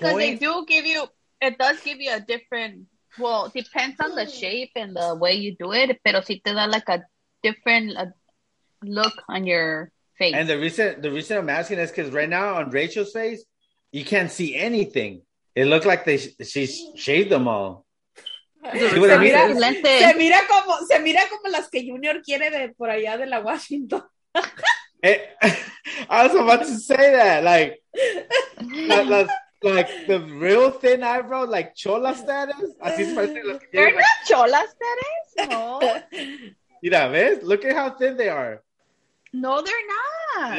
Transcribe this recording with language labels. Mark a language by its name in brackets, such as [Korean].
[English] No, because they do give you, it does give you a different, well, depends on the shape and the way you do it. [Spanish] Pero si te da [English] like a different look on your face. And the reason I'm asking is because right now on Rachel's face, you can't see anything. It looked like she's shaved them all. [Spanish] Se mira como las que Junior quiere de por allá de la Washington. [English] I was about to say that, like, like the real thin eyebrow, like chola status. [Spanish] Así se parece las que [English] they're not chola status. No. [Spanish] Mira, ves? [English] Look at how thin they are. No, they're not.